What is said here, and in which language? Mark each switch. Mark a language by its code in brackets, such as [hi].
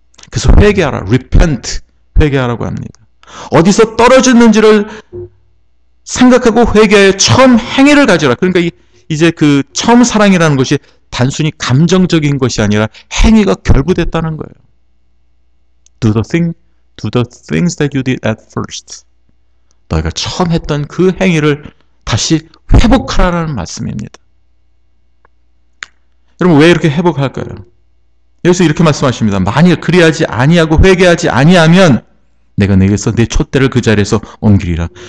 [ko] 그래서 회개하라, [en] repent, [ko] 회개하라고 합니다. 어디서 떨어졌는지를 생각하고 회개해 처음 행위를 가져라. 그러니까 이제 그 처음 사랑이라는 것이 단순히 감정적인 것이 아니라 행위가 결부됐다는 거예요. [en] Do the things that you did at first. [ko] 너희가 처음 했던 그 행위를 다시 회복하라는 말씀입니다. 여러분, 왜 이렇게 회복할까요? 여기서 이렇게 말씀하십니다. 만일 그리하지 아니하고 회개하지 아니하면 내가 내게서 내 촛대를 그 자리에서 옮기리라.